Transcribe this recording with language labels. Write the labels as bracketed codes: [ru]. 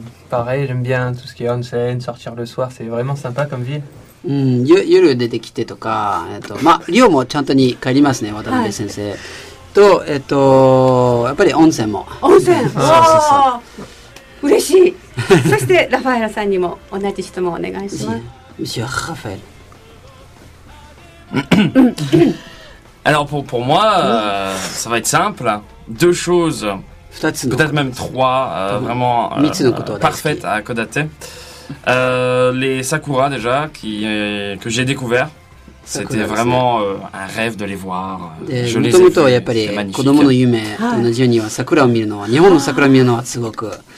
[fr] Pareil, j'aime bien tout ce qui est onsen, sortir le soir, c'est vraiment sympa comme ville. [ja] 夜出てきてとか、まあ、リオもちゃんとに帰りますね、渡辺先生。と、やっぱり温泉も。温泉そうそうそう。嬉しい。そして、ラファエラさんにも同じ質問をお願いします。 [fr] Monsieur Raphaël。 Alors, pour moi, ça va être simple. Deux choses, peut-être même trois, vraiment parfaites à Hakodate. Les sakura déjà, que j'ai découvert. C'était vraiment un rêve de les voir. Je les ai vus. C'est magnifique. [ja] 子供の夢と同じようには桜を見るのは、日本の桜を見るのはすごく